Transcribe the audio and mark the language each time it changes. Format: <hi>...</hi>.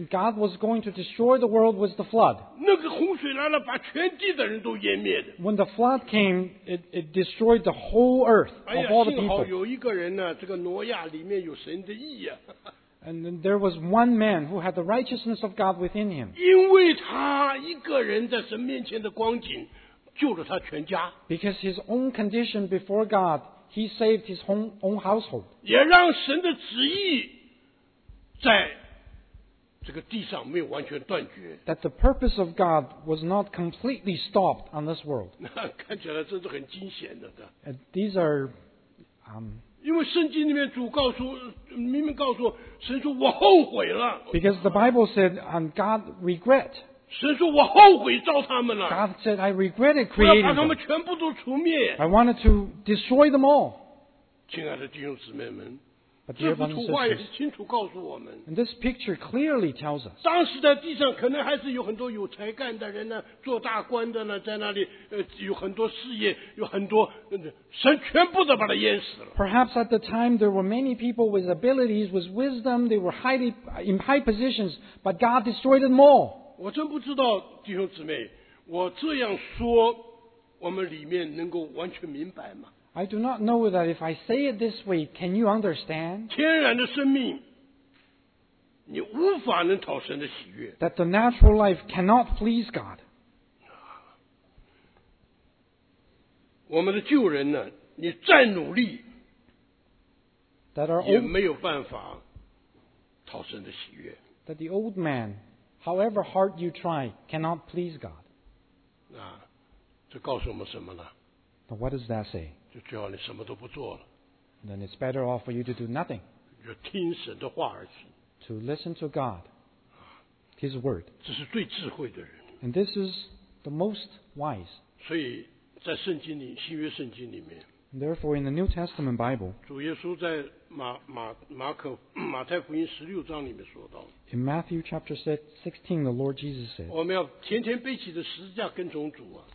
<en>God was going to destroy the world with the flood.</en> <zh>那个洪水来了把全地的人都淹灭的</zh> <en>When the flood came, it destroyed the whole earth of all the people.</en> <zh>幸好有一个人呢这个挪亚里面有神的义啊</zh> <en>And there was one man who had the righteousness of God within him.</en> <zh>因为他一个人在神面前的光景救了他全家</zh> <en>Because his own condition before God, he saved his own household.</en> <zh>也让神的旨意在这个地上没有完全断绝</zh> <en>That the purpose of God was not completely stopped on this world.</en> <zh>看起来真是很惊险的</zh> <en>These are...</en> <zh>因为圣经里面主告诉明明告诉神说我后悔了</zh> <en>Because the Bible said, and God regret.</en> <zh>神说我后悔造他们了</zh> <en>God said I regretted creating them</en> <zh>我要把他们全部都除灭</zh> <en>I wanted to destroy them all</en> <zh>亲爱的弟兄姊妹们</zh> <en>But dear brothers and sisters</en> <zh>这幅图画也是清楚告诉我们</zh> <en>And this picture clearly tells us</en> <zh>当时在地上可能还是有很多有才干的人呢做大官的呢在那里有很多事业有很多神全部都把他淹死了</zh> <en>Perhaps at the time there were many people with abilities with wisdom they were highly in high positions but God destroyed them all</en> <zh>我真不知道弟兄姊妹我这样说我们里面能够完全明白吗</zh> <en>I do not know that if I say it this way can you understand</en> <zh>天然的生命你无法能讨神的喜悦</zh> <en>that the natural life cannot please God</en> <zh>我们的旧人呢你再努力</zh> <en>that our</en> <zh>也没有办法讨神的喜悦</zh> <en>that the old manHowever hard you try, cannot please God.</en> <zh>啊，这告诉我们什么呢</zh> <en>But what does that say?</en> <zh>就最好你什么都不做了。</zh> <en>Then it's better off for you to do nothing.</en> <zh>就听神的话而行。</zh> <en>To listen to God, His word.</en> <zh>这是最智慧的人。</zh> <en>And this is the most wise.</en> <zh>所以在圣经里，新约圣经里面。</zh> <en>Therefore, in the New Testament Bible,</en> <zh>主耶稣在马太福音十六章里面说到</zh> <en>In Matthew chapter 16, the Lord Jesus said,</en> <zh>我们要天天背起的十字架跟从主啊</zh>